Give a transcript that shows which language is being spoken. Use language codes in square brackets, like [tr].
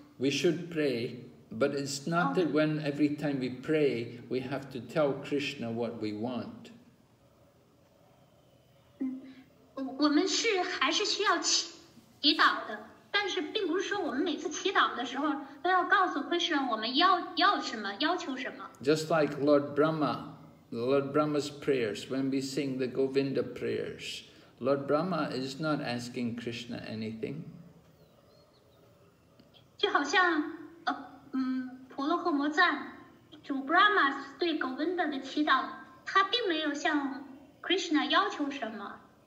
[en] We should pray, but it's not that when every time we pray, we have to tell Krishna what we want. [zh] 我们是还是需要祈祷的，但是并不是说我们每次祈祷的时候都要告诉 Krishna 我们要什么，要求什么。 [en] Just like Lord Brahma, Lord Brahma's prayers, when we sing the Govinda prayers, Lord Brahma is not asking Krishna anything. [zh] 就好像婆罗诃摩赞主 Brahma 对 Govinda 的祈祷，他并没有向 Krishna 要求什么。